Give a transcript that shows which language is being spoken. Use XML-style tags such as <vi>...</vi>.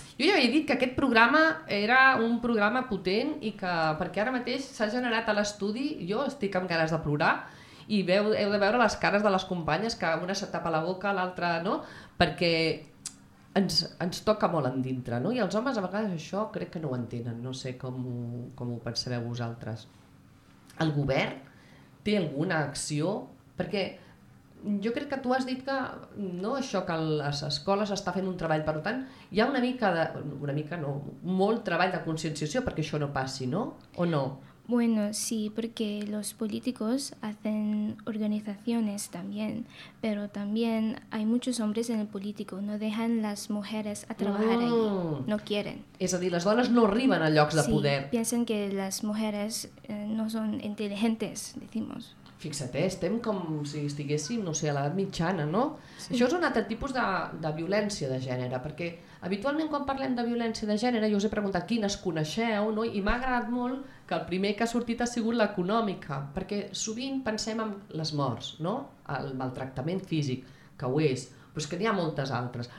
<ca>Jo ja he dit que aquest programa era un programa potent i que perquè ara mateix s'ha generat a l'estudi, jo estic amb ganes de plorar, i heu de veure les cares de les companyes, que una se tapa la boca, l'altra no, perquè ens toca molt endintre, no? I els homes a vegades això crec que no ho entenen, no sé com ho percebeu vosaltres. El govern té alguna acció? Perquè... Jo crec que tu has dit que no, això que les escoles està fent un treball, per tant, hi ha molt treball de conscienciació perquè això no passi, no? O no?</ca> <es>Bueno, sí, perquè los políticos hacen organizaciones también, pero también hay muchos hombres en el político, no dejan las mujeres a trabajar ahí, no quieren.</es> <ca>És a dir, les dones no arriben a llocs de poder.</ca> <es>Sí, piensan que las mujeres no son inteligentes, decimos.</es> <ca>Fixa't, estem com si estiguéssim, no sé, a l'edat mitjana, no? Sí. Això és un altre tipus de violència de gènere, perquè habitualment quan parlem de violència de gènere jo us he preguntat quines coneixeu, no? I m'ha agradat molt que el primer que ha sortit ha sigut l'econòmica, perquè sovint pensem en les morts, no? El maltractament físic, que ho és, però és que n'hi ha moltes altres.</ca>